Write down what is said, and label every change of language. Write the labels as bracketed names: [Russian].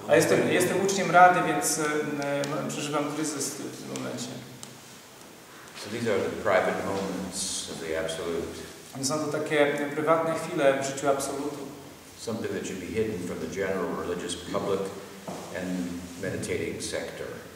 [Polish] A jestem uczniem Rady, więc przeżywam kryzys w tym momencie. [English] So these are the private moments of the absolute. [Polish] Są to takie prywatne chwile w życiu absolutu. [English] Something that should be hidden from the general religious public and meditating sector.